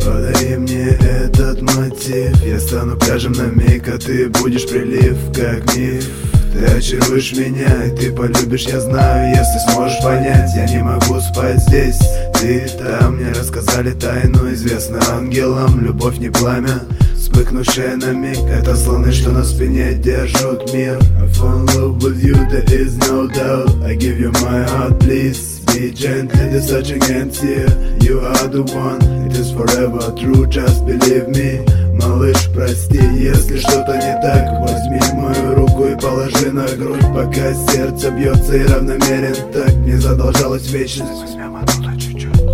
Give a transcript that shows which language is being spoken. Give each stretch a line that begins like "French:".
Russian: Подари мне этот мотив, я стану пляжем на миг, а ты будешь прилив, как миф. Ты очаруешь меня, и ты полюбишь, я знаю, если сможешь понять. Я не могу спать здесь, ты там, мне рассказали тайну, известно ангелам, любовь не пламя, вспыхнувшая на миг, это слоны, что на спине держат мир.
English: I fall in love with you, there is no doubt, I give you my heart, please. Be gentle, it is such a game, you are the one, it is forever true, just believe me.
Russian: Малыш, прости, если что-то не так, возьми мою руку и положи на грудь, пока сердце бьется и равномерен так, не задолжалась вечность. Возьмем оттуда чуть-чуть.